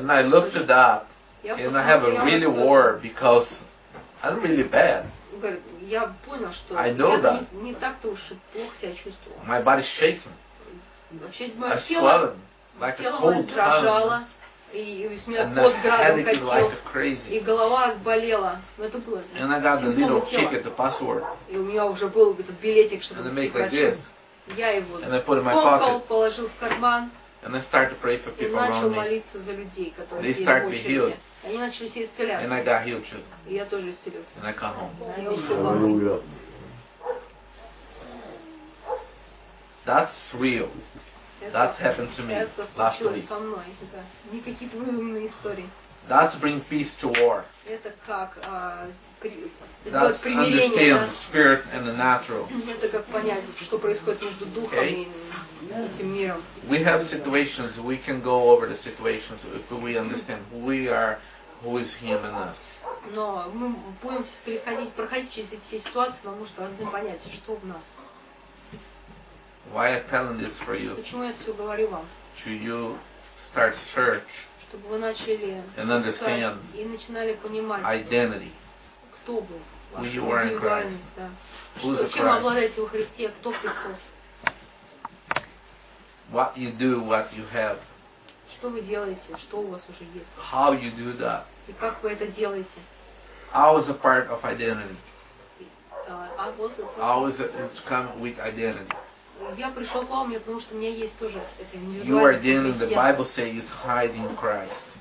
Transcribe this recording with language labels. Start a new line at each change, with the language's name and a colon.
English: And I looked it up, and I have a really war because I'm really bad.
Russian: Я понял, что я не так-то уж плохо себя чувствовал.
English: My body is shaking.
Russian: Вообще, мое тело,
English: like a cold
Russian: дрожало, и у меня пот градом катил, и голова болела. Это было.
English: And I got a little ticket, the password.
Russian: И у меня уже был этот билетик, чтобы прочесть. Я его скомкал, положил в карман
English: and I start to pray for people
Russian: и начал молиться за людей, которые
English: they start be healed.
Russian: Они начали все исцеляться.
English: And I got healed too.
Russian: И я тоже исцелился.
English: And I come home. That's real. That's happened to me last week.
Russian: Это со мной. Это не какие-то выдуманные истории.
English: That's bring peace to war.
Russian: Это как
English: That's understand the spirit and the natural.
Russian: Это как понять, что происходит между духом и этим миром.
English: We have situations. We can go over the situations if we understand who we are, who is Him and us.
Russian: Но мы будем проходить через эти все ситуации, потому что должны понять, что в нас.
English: Why I'm telling this for you?
Russian: Почему я все говорю вам?
English: To you, start search.
Russian: Чтобы вы начали и начинали понимать
English: identity.
Russian: Кто вы, ваша индивидуальность, да. Чем обладаете во Христе, кто Христос.
English: What you do, what you have.
Russian: Что вы делаете, что у вас уже есть.
English: How you do that.
Russian: И как вы это делаете.
English: How is a part of identity. How is it come with identity.
Russian: Я пришел к вам, потому что у меня есть тоже это индивидуальность.
English: You are dealing with the Bible says hide in Christ.